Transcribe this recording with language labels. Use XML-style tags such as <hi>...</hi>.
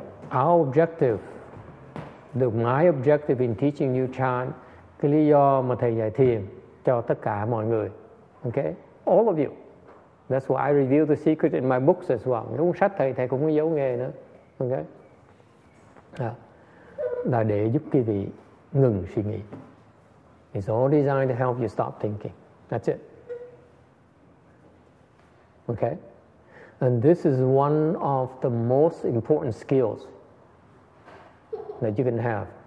<en>Our objective, my objective in teaching you chant,</en> <vi>cái lý do mà thầy dạy thiền cho tất cả mọi người.</vi> <en>Okay. All of you. That's why I reveal the secret in my books as well.</en> <vi>Cái cuốn sách thầy cũng có giấu nghề nữa. Okay. Là để giúp quý vị ngừng suy nghĩ.</vi> <en>It's all designed to help you stop thinking. That's it. Okay. And this is one of the most important skills that you can have.</en>